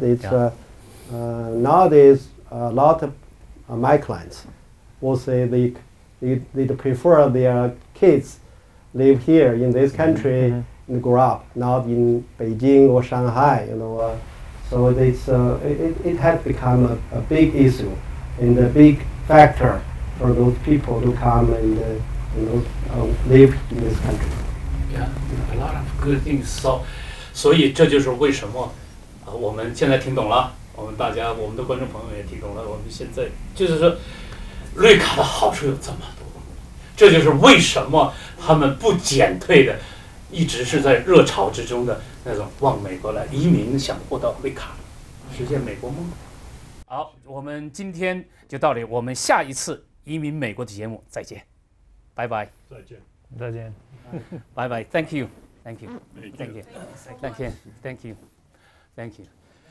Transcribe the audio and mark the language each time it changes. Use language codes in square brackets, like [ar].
[en] It's nowadays, a lot of my clients will say they prefer their kids live here in this country mm-hmm. and grow up, not in Beijing or Shanghai, you know. So it's it has become a big issue and a big factor for those people to come and live in this country. Yeah, a lot of good things. [zh] So 这就是为什么我们现在听懂了，我们大家我们的观众朋友也听懂了，我们现在就是说绿卡的好处有这么多，这就是为什么他们不减退的一直是在热潮之中的那种往美国来移民，想获得绿卡实现美国梦。好，我们今天就到这里，我们下一次移民美国的节目再见，拜拜。再见，拜拜。 [en] Thank you. Thank you. Thank you. Thank you. Thank you. Thank you.